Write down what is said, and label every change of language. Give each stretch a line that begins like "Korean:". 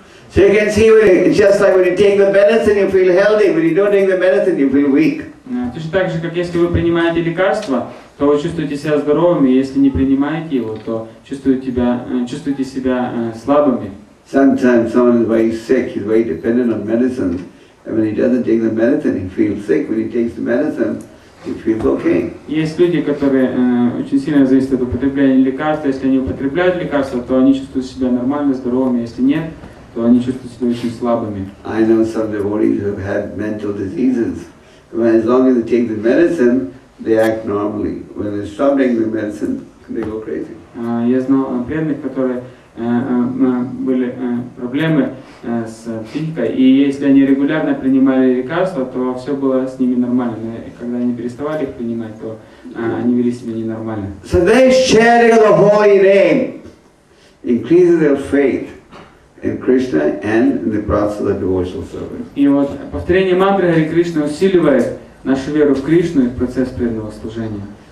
English: So you can see, just like when you take the medicine, you feel healthy. When you don't take the medicine, you feel weak.
Russian: Точно так же, как если вы принимаете лекарства, то вы чувствуете себя здоровыми. Если не принимаете его, то чувствуете себя слабыми.
English: Sometimes someone is very sick, he's very dependent on medicine. And when he doesn't take the medicine, he feels sick. When he takes the medicine, he feels okay.
Russian: Есть люди, которые очень сильно зависят от употребления лекарств. Если они употребляют лекарства, то они чувствуют себя нормально, здоровыми. Если нет, то они чувствуют себя очень слабыми.
English: I know some devotees who have had mental diseases. When as long as they take the medicine, they act normally. When they stop taking the medicine, they go crazy.
Russian: Я знал преданных, которые были проблемы с психикой, и если они регулярно принимали лекарства, то все было с ними нормально. И когда они переставали их принимать, то они вели себя ненормально.
English: So this chanting of the holy name increases their faith in Krishna and in the process of the devotional service.
Russian: И вот повторение мантры Хари Кришна усиливает нашу веру в Кришну и в процесс преданного служения.